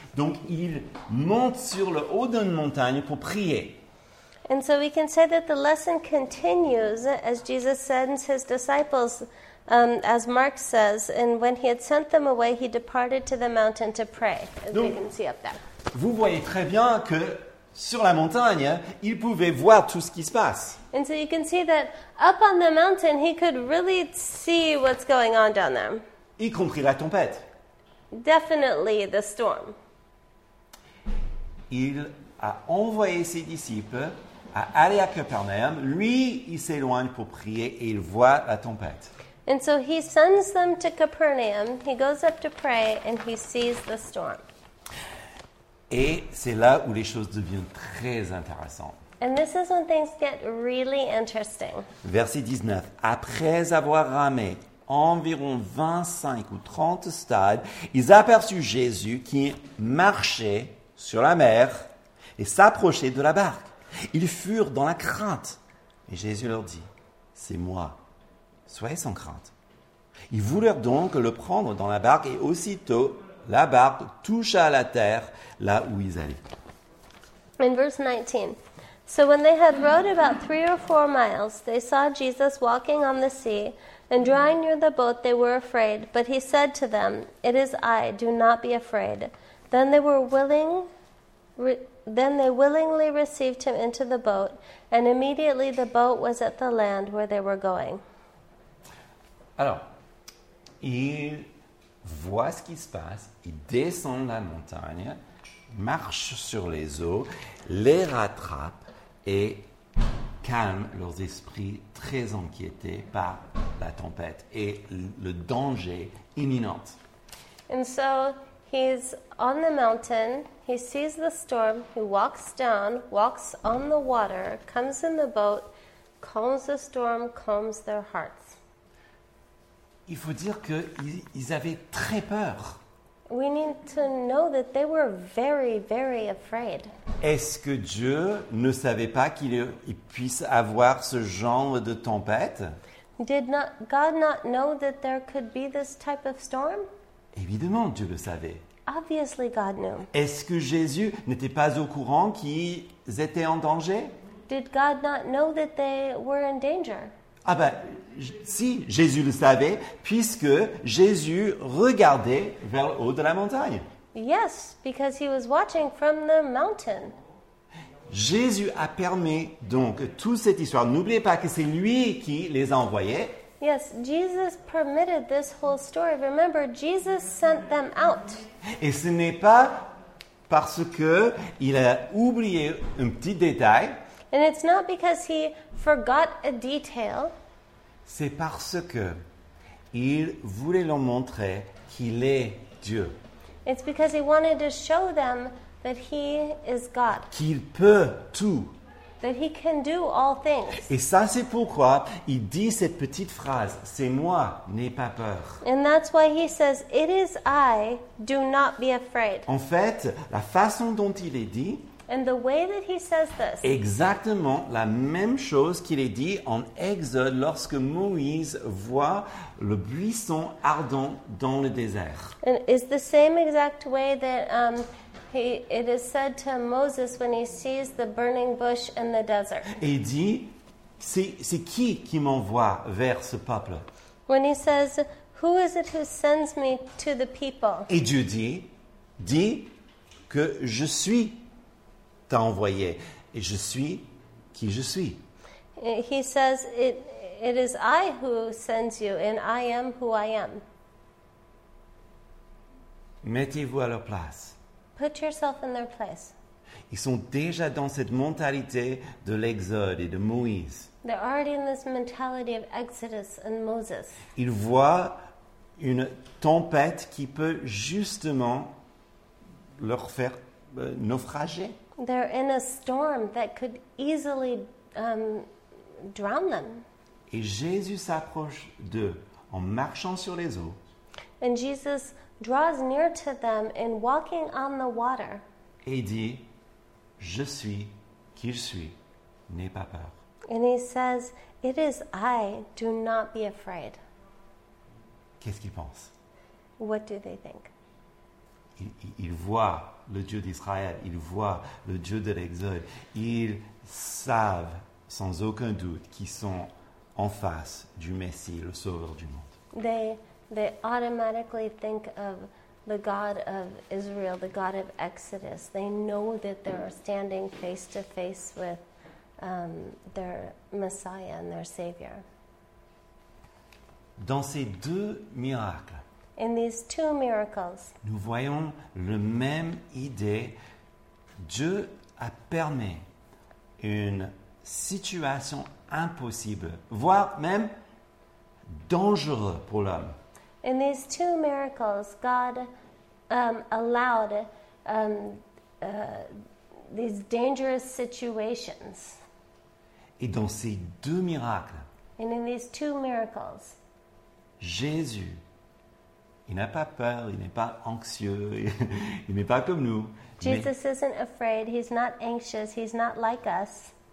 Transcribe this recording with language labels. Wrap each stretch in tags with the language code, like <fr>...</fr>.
<fr>Donc, il monte sur le haut d'une montagne pour prier.</fr> <en>And so we can say that the lesson continues as Jesus sends his disciples, as Mark says, and when he had sent them away, he departed to the mountain to pray, as</en> <fr>Donc,</fr> <en>we can see up there.</en> <fr>Vous voyez très bien que sur la montagne, il pouvait voir tout ce qui se passe.</fr> <en>And so you can see that up on the mountain, he could really see what's going on down there.</en> <fr>Y compris la tempête.</fr> <en>Definitely the storm.</en> <fr>Il a envoyé ses disciples à aller à Capernaum. Lui, il s'éloigne pour prier et il voit la tempête.</fr> <en>And so he sends them to Capernaum. He goes up to pray and he sees the storm.</en> <fr>Et c'est là où les choses deviennent très intéressantes.</fr> <en>And this is when things get really interesting.</en> <fr>Verset 19. Après avoir ramé environ 25 ou 30 stades, ils aperçurent Jésus qui marchait sur la mer et s'approchaient de la barque. Ils furent dans la crainte. Et Jésus leur dit, « C'est moi, soyez sans crainte. » Ils voulurent donc le prendre dans la barque et aussitôt, la barque toucha la terre là où ils allaient.</fr> <en>In verse 19, « So when they had rowed about 3 or 4 miles, they saw Jesus walking on the sea, and drawing near the boat, they were afraid. But he said to them, « It is I, do not be afraid. » Then they were willing. Then they willingly received him into the boat, and immediately the boat was at the land where they were going.</en> <fr>Alors, ils voient ce qui se passe. Ils descendent la montagne, marchent sur les eaux, les rattrapent et calment leurs esprits très inquiétés par la tempête et le danger imminent.</fr> <en>And so. He's on the mountain, he sees the storm, he walks down, walks on the water, comes in the boat, calms the storm, calms their hearts.</en> <fr>Il faut dire qu'ils avaient très peur.</fr> <en>We need to know that they were very, very afraid.</en> <fr>Est-ce que Dieu ne savait pas qu'il puisse avoir ce genre de tempête?</fr> <en>Did not God not know that there could be this type of storm?</en> <fr>Évidemment, Dieu le savait.</fr> <en>Obviously, God knew.</en> <fr>Est-ce que Jésus n'était pas au courant qu'ils étaient en danger?</fr> <en>Did God not know that they were in danger?</en> <fr>Ah ben, si, Jésus le savait, puisque Jésus regardait vers le haut de la montagne.</fr> <en>Yes, because he was watching from the mountain.</en> <fr>Jésus a permis donc toute cette histoire. N'oubliez pas que c'est lui qui les a envoyés.</fr> <en>Yes, Jesus permitted this whole story. Remember, Jesus sent them out.</en> <fr>Et ce n'est pas parce que il a oublié un petit détail.</fr> <en>And it's not because he forgot a detail.</en> <fr>C'est parce que il voulait leur montrer qu'il est Dieu.</fr> <en>It's because he wanted to show them that he is God.</en> <fr>Qu'il peut tout.</fr> <en>That he can do all things.</en> <fr>Et ça, c'est pourquoi il dit cette petite phrase, c'est moi, n'aie pas peur.</fr> <en>And that's why he says, it is I, do not be afraid.</en> <fr>En fait, la façon dont il est dit,</fr> <en>and the way that he says this,</en> <fr>exactement la même chose qu'il est dit en Exode lorsque Moïse voit le buisson ardent dans le désert.</fr> <en>And it's the same exact way that it is said to Moses when he sees the burning bush in the desert.</en> <fr>Et il dit, c'est qui m'envoie vers ce peuple?</fr> <en>When he says, who is it who sends me to the people?</en> <fr>Et Dieu dit que je suis t'a envoyé et je suis qui je suis.</fr> <en>He says, it is I who sends you and I am who I am.</en> <fr>Mettez-vous à leur place.</fr> <en>Put yourself in their place.</en> <fr>Ils sont déjà dans cette mentalité de l'Exode et de Moïse.</fr> <en>They're already in this mentality of Exodus and Moses.</en> <fr>Ils voient une tempête qui peut justement leur faire naufrager.</fr> <en>They're in a storm that could easily drown them.</en> <fr>Et Jésus s'approche d'eux en marchant sur les eaux.</fr> <en>And Jesus draws near to them in walking on the water.</en> <fr>Et dit, je suis qui je suis, n'aie pas peur.</fr> <en>And he says, it is I, do not be afraid.</en> <fr>Qu'est-ce qu'ils pensent?</fr> <en>What do they think?</en> <fr>Ils voient le Dieu d'Israël, ils voient le Dieu de l'Exode. Ils savent sans aucun doute qu'ils sont en face du Messie, le Sauveur du monde.</fr> <en>They automatically think of the God of Israel, the God of Exodus. They know that they're standing face to face with their Messiah and their Savior.</en> <fr>Dans ces deux miracles,</fr> <en>in these two miracles,</en> <fr>nous voyons la même idée. Dieu a permis une situation impossible, voire même dangereuse pour l'homme.</fr> <en>In these two miracles, God allowed these dangerous situations.</en> <fr>Et dans ces deux miracles,</fr> <en>and in these two miracles,</en> <fr>Jésus, il n'a pas peur, il n'est pas anxieux, il n'est pas comme nous.</fr> <en>Jesus isn't afraid, he's not anxious, he's not like us.</en>